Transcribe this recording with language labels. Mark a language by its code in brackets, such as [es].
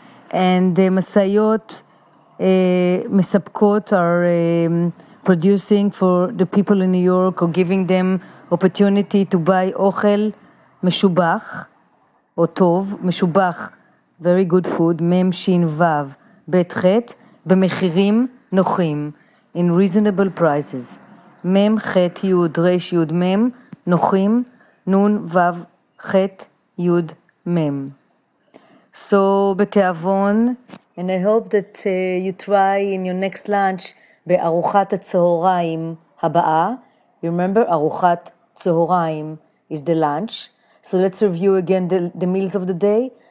[en] And the Masayot, Mesapkot, are producing for the people in New York or giving them opportunity to buy Ochel Meshubach, or Tov, Meshubach, very good food, Mem Shin Vav. [he] בית חט, במחירים נוחים, in reasonable prices. מם חט יוד רש יוד מם, נוחים, נון וו חט יוד מם. [en] So, בתיאבון, and I hope that you try in your next lunch בארוחת הצהריים הבאה. You remember, ארוחת צהריים is the lunch. So let's review again the meals of the day.